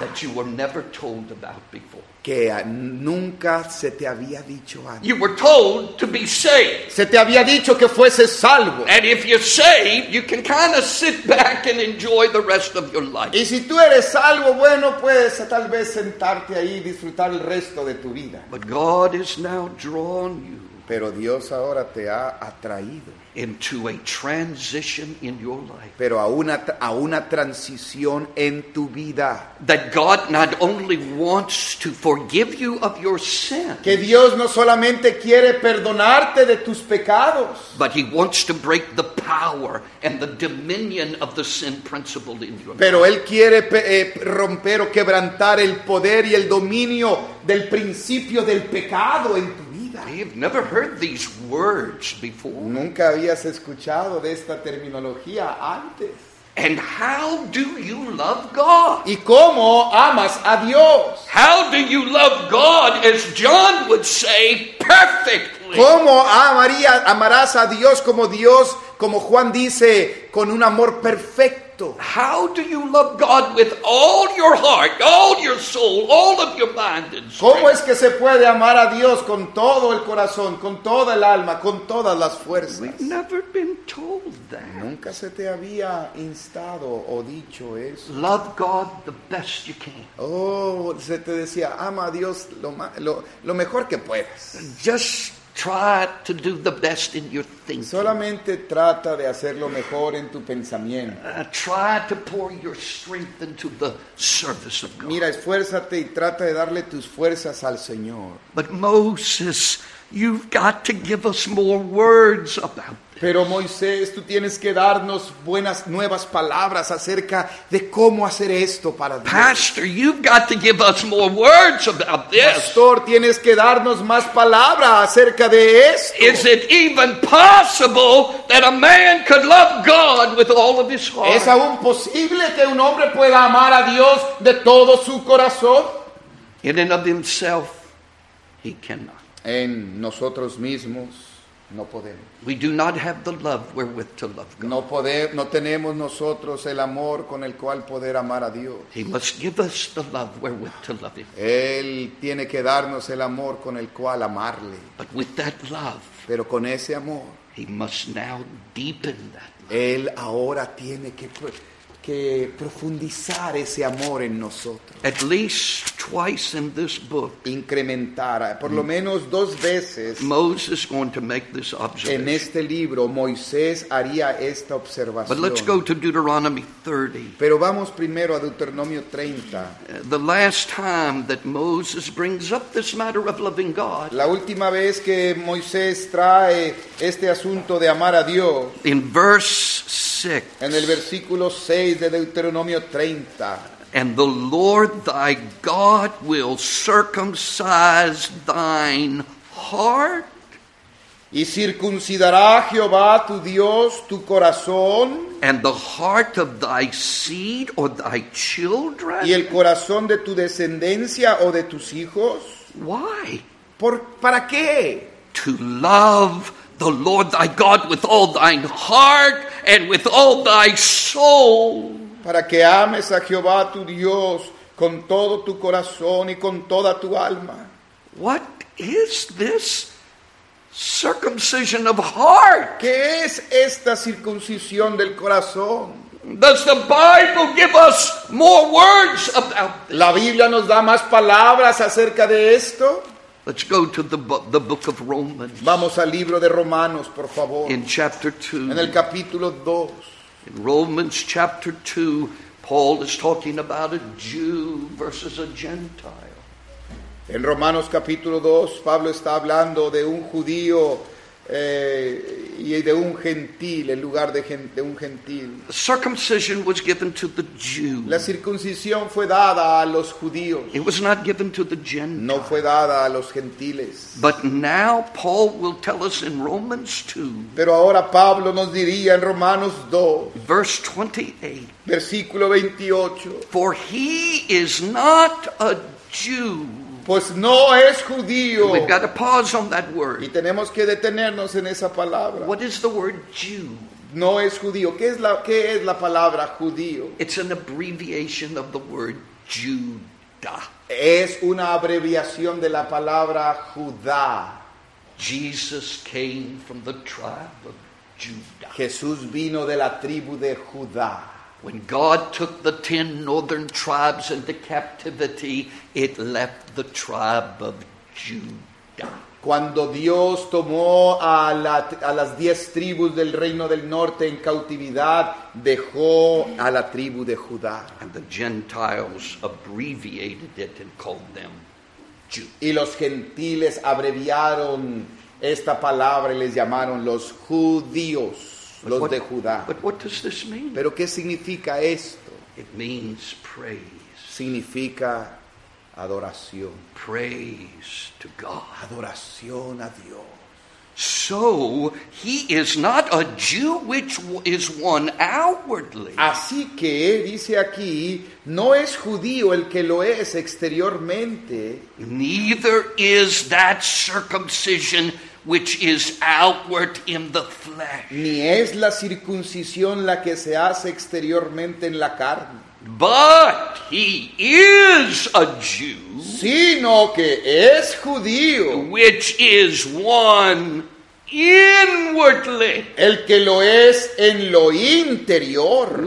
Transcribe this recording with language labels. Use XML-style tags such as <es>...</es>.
<en>that you were never told about before.</en> <es>Que nunca se te había dicho antes.</es> <en>You were told to be saved.</en> <es>Se te había dicho que fueses salvo.</es> <en>And if you're saved, you can kind of sit back and enjoy the rest of your life.</en> <es>Y si tú eres salvo, bueno, puedes tal vez sentarte ahí y disfrutar el resto de tu vida.</es> <en>But God has now drawn you.</en> <es>Pero Dios ahora te ha atraído.</es> <en>Into a transition in your life.</en> <es>Pero a una transición en tu vida.</es> <en>That God not only wants to forgive you of your sins.</en> <es>Que Dios no solamente quiere perdonarte de tus pecados.</es> <en>But he wants to break the power and the dominion of the sin principle in your life.</en> <es>Pero él quiere romper o quebrantar el poder y el dominio del principio del pecado en tu vida.</es> <en>I've never heard these words before.</en> <es>Nunca habías escuchado de esta terminología antes.</es> <en>And how do you love God?</en> <es>¿Y cómo amas a Dios?</es> <en>How do you love God, as John would say, perfectly?</en> <es>¿Cómo amarás a Dios como Dios, como Juan dice, con un amor perfecto?</es> <en>How do you love God with all your heart, all your soul, all of your mind and strength?</en> <es>¿Cómo es que se puede amar a Dios con todo el corazón, con toda el alma, con todas las fuerzas?</es> <en>We've never been told that.</en> <es>Nunca se te había instado o dicho eso.</es> <en>Love God the best you can.</en> <es>Oh, se te decía, ama a Dios lo mejor que puedas.</es> <en>Just try to do the best in your thinking.</en> <es>Solamente trata de hacer lo mejor en tu pensamiento.</es> <en>Try to pour your strength into the service of God.</en> <es>Mira, esfuérzate y trata de darle tus fuerzas al Señor.</es> <en>But Moses, you've got to give us more words about this.</en> <es>Pero Moisés, tú tienes que darnos buenas nuevas palabras acerca de cómo hacer esto para Dios.</es> <en>Pastor, you've got to give us more words about this.</en> <es>Pastor, tienes que darnos más palabras acerca de esto.</es> <en>Is it even possible that a man could love God with all of his heart?</en> <es>¿Es aún posible que un hombre pueda amar a Dios de todo su corazón?</es> <en>In and of himself, he cannot.</en> <es>En nosotros mismos no podemos.</es> <en>We do not have the love wherewith to love God.</en> <es>No tenemos nosotros el amor con el cual poder amar a Dios.</es> <en>He must give us the love wherewith to love him.</en> <es>Él tiene que darnos el amor con el cual amarle.</es> <en>But with that love,</en> <es>pero con ese amor,</es> <en>he must now deepen that love.</en> <es>Él ahora tiene que profundizar ese amor en nosotros.</es> <en>At least twice in this book,</en> <es>incrementara por lo menos dos veces,</es> <en>Moses going to make this observation.</en> <es>En este libro Moisés haría esta observación.</es> <en>But let's go to Deuteronomy 30.</en> <es>Pero vamos primero a Deuteronomio 30.</es> <en>The last time that Moses brings up this matter of loving God.</en> <es>La última vez que Moisés trae este asunto de amar a Dios.</es> <en>In verse 6.</en> <es>En el versículo 6 de Deuteronomio 30.</es> <en>And the Lord thy God will circumcise thine heart.</en> <es>Y circuncidará Jehová tu Dios tu corazón.</es> <en>And the heart of thy seed or thy children.</en> <es>Y el corazón de tu descendencia o de tus hijos.</es> <en>Why?</en> <es>¿Para qué?</es> <en>To love the Lord thy God with all thine heart and with all thy soul.</en> <es>Para que ames a Jehová tu Dios con todo tu corazón y con toda tu alma.</es> <en>What is this circumcision of heart?</en> <es>¿Qué es esta circuncisión del corazón?</es> <en>Does the Bible give us more words about this?</en> <es>¿La Biblia nos da más palabras acerca de esto?</es> <en>Let's go to the book of Romans.</en> <es>Vamos al libro de Romanos, por favor.</es> <en>In chapter 2.</en> <es>En el capítulo 2.</es> <en>In Romans chapter 2, Paul is talking about a Jew versus a Gentile.</en> <es>En Romanos capítulo 2, Pablo está hablando de un judío y de un gentil, en lugar de un gentil.</es> <en>Circumcision was given to the Jew.</en> <es>La circuncisión fue dada a los judíos.</es> <en>It was not given to the Gentiles.</en> <es>No fue dada a los gentiles.</es> <en>But now Paul will tell us in Romans 2.</en> <es>Pero ahora Pablo nos diría en Romanos 2.</es> <en>Verse 28.</en> <es>Versículo 28.</es> <en>For he is not a Jew.</en> <es>Pues no es judío.</es> <en>We've got to pause on that word.</en> <es>Y tenemos que detenernos en esa palabra.</es> <en>What is the word Jew?</en> <es>No es judío. ¿Qué es la palabra judío?</es> <en>It's an abbreviation of the word Judah.</en> <es>Es una abreviación de la palabra Judá.</es> <en>Jesus came from the tribe of Judah.</en> <es>Jesús vino de la tribu de Judá.</es> <en>When God took the 10 northern tribes into captivity, it left the tribe of Judah.</en> <es>Cuando Dios tomó a las 10 tribus del reino del norte en cautividad, dejó a la tribu de Judá.</es> <en>And the Gentiles abbreviated it and called them Jews.</en> <es>Y los gentiles abreviaron esta palabra y les llamaron los judíos. Los de Judá.</es> <en>But what does this mean?</en> <es>¿Pero qué significa esto?</es> <en>It means praise.</en> <es>Significa adoración.</es> <en>Praise to God.</en> <es>Adoración a Dios.</es> <en>So he is not a Jew which is one outwardly.</en> <es>Así que dice aquí, no es judío el que lo es exteriormente.</es> <en>Neither is that circumcision which is outward in the flesh.</en> <es>Ni es la circuncisión la que se hace exteriormente en la carne.</es> <en>But he is a Jew.</en> <es>Sino que es judío.</es> <en>Which is one inwardly.</en> <es>El que lo es en lo interior.</es>